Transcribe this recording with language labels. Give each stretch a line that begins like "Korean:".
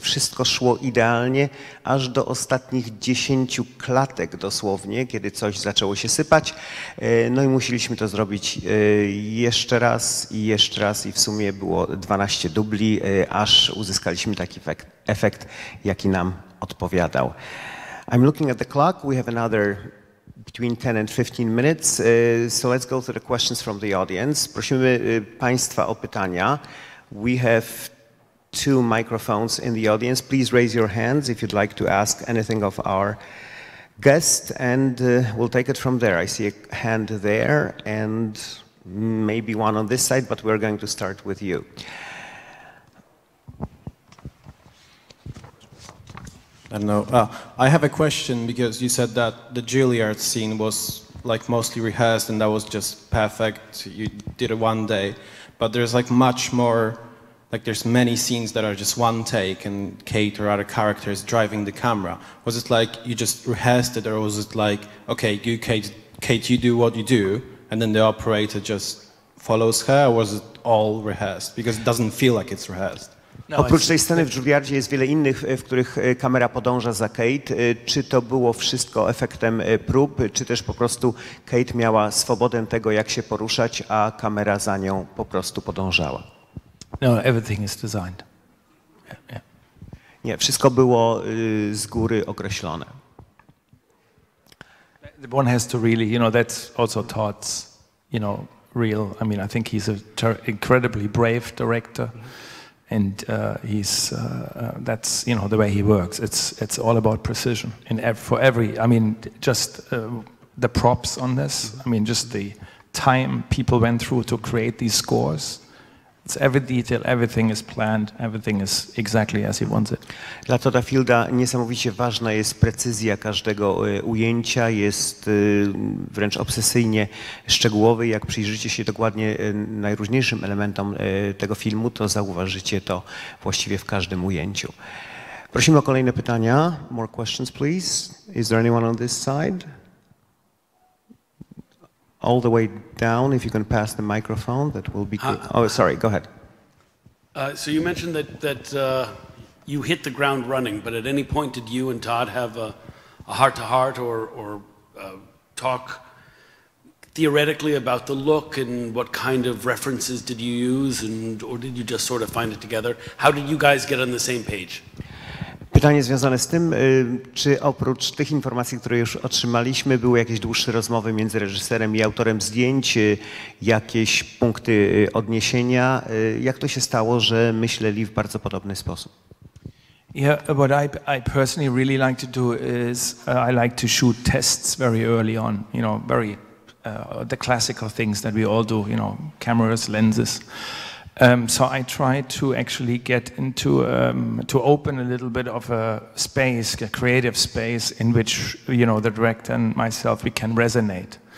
Polish: Wszystko szło idealnie, aż do ostatnich 10 klatek dosłownie, kiedy coś zaczęło się sypać. No i musieliśmy to zrobić jeszcze raz i jeszcze raz, i w sumie było 12 dubli, aż uzyskaliśmy taki efekt, jaki nam odpowiadał.
English: I'm looking at the clock. We have another between 10 and 15 minutes. So let's go to the questions from the audience.
Polish: Prosimy Państwa o pytania.
English: We have two microphones in the audience. Please raise your hands if you'd like to ask anything of our guest, and we'll take it from there. I see a hand there and maybe one on this side, but we're going to start with you. I don't know. I have a question, because you said that the Juilliard scene was like mostly rehearsed and that was just perfect. You did it one day, but there's like much more, like there's many scenes that are just one take and Kate or other characters driving the camera. Was it like you just rehearsed it, or was it like, okay, you Kate, you do what you do, and then the operator just follows her, or was it all rehearsed? Because it doesn't feel like it's rehearsed.
Polish: Oprócz tej sceny w Juilliardzie jest wiele innych, w których kamera podąża za Kate. Czy to było wszystko efektem prób, czy też po prostu Kate miała swobodę tego, jak się poruszać, a kamera za nią po prostu podążała?
English: No, everything is designed. Yeah, yeah.
Polish: Nie, wszystko było z góry określone.
English: The one has to really, you know, that's also Todd's, you know, real. I mean, I think he's an incredibly brave director. And that's, you know, the way he works. It's all about precision in the props on this. I mean, just the time people went through to create these scores. It's every detail, everything is planned, everything is exactly as he wants it.
Polish: Dla Todda Fielda niesamowicie ważna jest precyzja każdego ujęcia, jest wręcz obsesyjnie szczegółowy. Jak przyjrzycie się dokładnie najróżniejszym elementom tego filmu, to zauważycie to właściwie w każdym ujęciu. Prosimy o kolejne pytania.
English: More questions, please. Is there anyone on this side? All the way down, if you can pass the microphone, that will be good. Oh, sorry, go ahead. So you mentioned that you hit the ground running, but at any point did you and Todd have a heart-to-heart or talk theoretically about the look and what kind of references did you use, and or did you just sort of find it together? How did you guys get on the same page?
Polish: Pytanie związane z tym, czy oprócz tych informacji, które już otrzymaliśmy, były jakieś dłuższe rozmowy między reżyserem i autorem zdjęć, jakieś punkty odniesienia? Jak to się stało, że myśleli w bardzo podobny sposób?
English: Yeah, what I personally really like to do is I like to shoot tests very early on, you know, very the classical things that we all do, you know, cameras, lenses. So I try to actually get into, to open a little bit of a space, a creative space in which, you know, the director and myself, we can resonate.